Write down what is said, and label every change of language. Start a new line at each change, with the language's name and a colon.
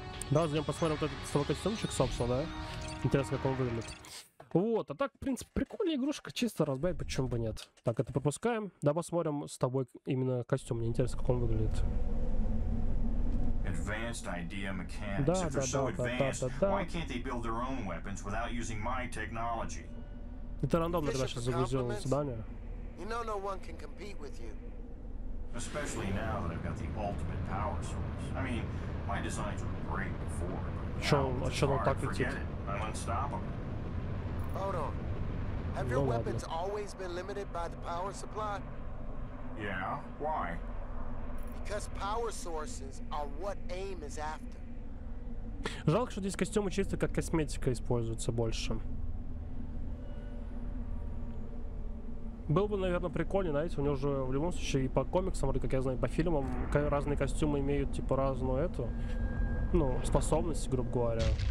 Russian: Да, зайдем посмотрим вот этот свой костюмчик, собственно, да? Интересно, как он выглядит. Вот, а так, в принципе, прикольная игрушка, чисто разбей, почему бы нет. Так, это пропускаем. Да, посмотрим с тобой именно костюм. Мне интересно, как он выглядит.
English: Advanced idea mechanics. Why can't they build their own weapons without using my technology?
Russian: Это рандомно, когда сейчас загрузил задание.
English: You know no one can compete with you. Especially now that I've got the ultimate power source. I mean, my designs were great before, but now it's hard to forget it. I'm unstoppable. Hold on. Have your weapons always been limited by the power supply? Yeah, why? Because power sources are what AIM is after.
Russian: Жалко, что здесь костюмы чисто как косметика используются больше. Был бы, наверное, прикольный, знаете, у него же в любом случае и по комиксам, вроде как я знаю, по фильмам разные костюмы имеют типа разную эту, ну, способность, грубо говоря.